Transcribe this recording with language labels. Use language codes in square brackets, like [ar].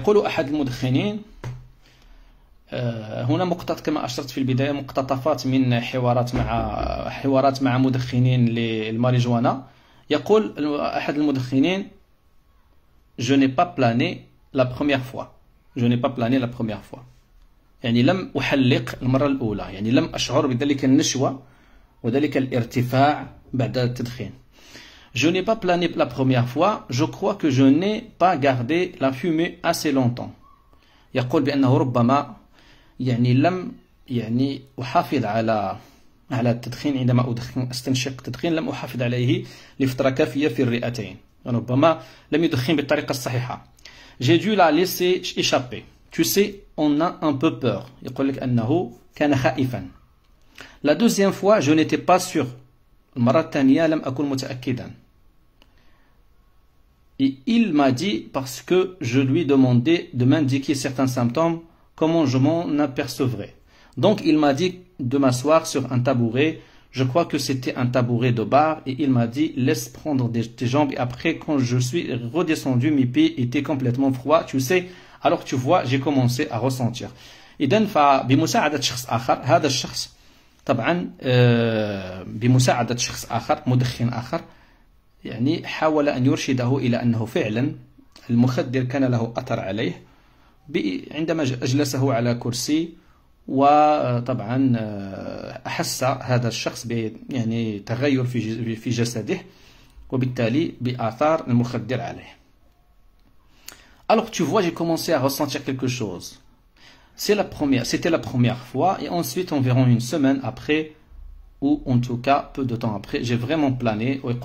[ar] يقول أحد المدخنين هنا مقتطف كما أشرت في البداية مقتطفات من حوارات مع مدخنين للماريجوانا. يقول أحد المدخنين [fr] Je n'ai pas plané la première fois. Je n'ai pas plané la première fois. [ar] يعني لم أحلق المرة الأولى. يعني لم أشعر بذلك النشوة وذلك الارتفاع بعد التدخين. [fr] Je n'ai pas plané la première fois. Je crois que je n'ai pas gardé la fumée assez longtemps. [ar] يقول بأنه ربما يعني لم يعني أحافظ على التدخين عندما أدخن أستنشق التدخين لم أحافظ عليه لفترة كافية في الرئتين. ربما لم يدخن بالطريقة الصحيحة. [fr] J'ai dû la laisser échapper. Tu sais, on a un peu peur. [ar] يقول لك أنه كان خائفا. [fr] La deuxième fois, je n'étais pas sûr. [ar] المرة الثانية لم أكن متأكدا. [fr] Et il m'a dit parce que je lui demandais de m'indiquer certains symptômes, comment je m'en apercevrais. Donc il m'a dit de m'asseoir sur un tabouret. Je crois que c'était un tabouret de bar. Et il m'a dit laisse prendre tes jambes. Et après, quand je suis redescendu, mes pieds étaient complètement froids. Tu sais, alors tu vois, j'ai commencé à ressentir. [ar] Et d'enfa, بمساعدة شخص آخر, هذا الشخص طبعا بمساعدة شخص آخر مدخن آخر يعني حاول أن يرشده إلى أنه فعلا المخدر كان له أثر عليه عندما أجلسه على كرسي وطبعا أحس هذا الشخص يعني تغير في جسده وبالتالي بآثار المخدر عليه. [fr] Alors tu vois, j'ai commencé à ressentir quelque chose. C'était la première fois, et ensuite, environ une semaine après, ou en tout cas peu de temps après, j'ai vraiment plané.